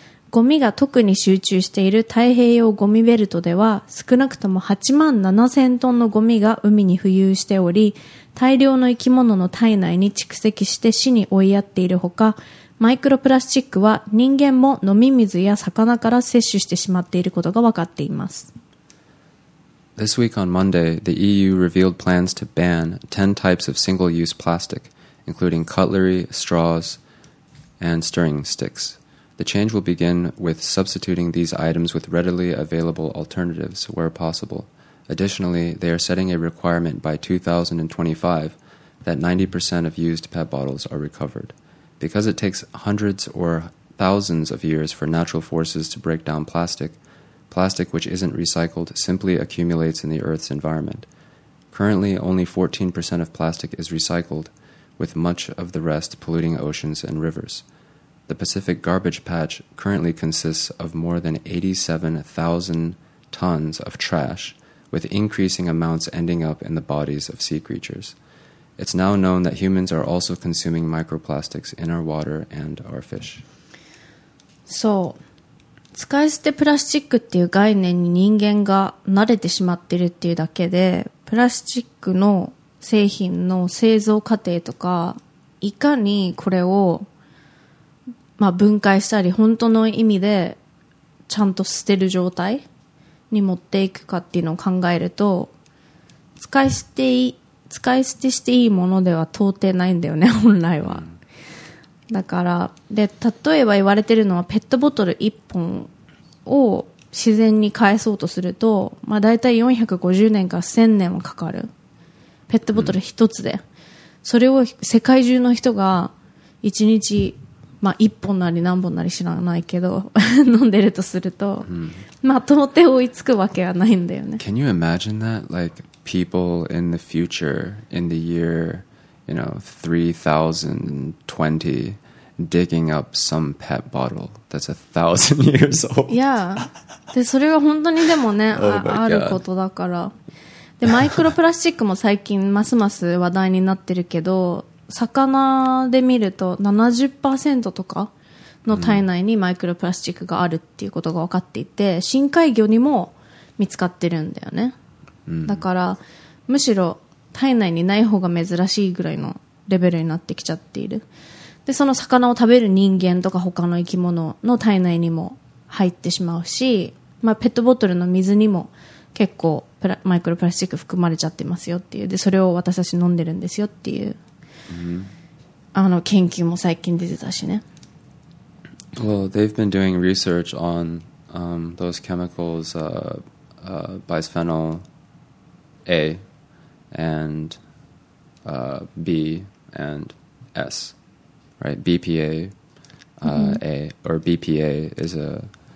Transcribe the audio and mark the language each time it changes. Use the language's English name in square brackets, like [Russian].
[Japanese] ゴミが特に集中している太平洋ゴミベルトでは、少なくとも8万7千トンのゴミが海に浮遊しており、大量の生き物の体内に蓄積して死に追いやっているほか、マイクロプラスチックは人間も飲み水や魚から摂取してしまっていることが分かっています。 [English] This week on Monday, the EU revealed plans to ban 10 types of single-use plastic, including cutlery, straws, and stirring sticks. The change will begin with substituting these items with readily available alternatives where possible. Additionally, they are setting a requirement by 2025 that 90% of used PET bottles are recovered. Because it takes hundreds or thousands of years for natural forces to break down plastic,Plastic which isn't recycled simply accumulates in the Earth's environment. Currently, only 14% of plastic is recycled, with much of the rest polluting oceans and rivers. The Pacific Garbage Patch currently consists of more than 87,000 tons of trash, with increasing amounts ending up in the bodies of sea creatures. It's now known that humans are also consuming microplastics in our water and our fish. So... [Japanese] 使い捨てプラスチックっていう概念に人間が慣れてしまってるっていうだけでプラスチックの製品の製造過程とかいかにこれを、まあ、分解したり本当の意味でちゃんと捨てる状態に持っていくかっていうのを考えると使い捨てしていいものでは到底ないんだよね本来は。だからで例えば言われてるのはペットボトル1本を自然に返そうとすると、まあ、大体450年から1000年はかかるペットボトル1つで、うん、それを世界中の人が1日、まあ、1本なり何本なり知らないけど飲んでるとすると、うん、まあ到底追いつくわけはないんだよね [English] Can you imagine that? Like people in the future in the yearYou know, 3020 digging up some pet bottle that's 1,000 years old. [Japanese] Yeah. で、それが本当にでもね、あることだから。 [English] Yeah. [Japanese] でマイクロプラスチックも最近ますます話題になってるけど、魚で見ると 70% とかの体内にマイクロプラスチックがあるっていうことが分かっていて、深海魚にも見つかってるんだよね、うん、だからむしろ体内にない方が珍しいぐらいのレベルになってきちゃっている。でその魚を食べる人間とか他の生き物の体内にも入ってしまうし、まあ、ペットボトルの水にも結構マイクロプラスチック含まれちゃってますよっていう、でそれを私たち飲んでるんですよっていう、うん、あの研究も最近出てたしね。 [English] Well, they've been doing research on those chemicals, bisphenol A and B and S, right? BPA, A, or BPA is a...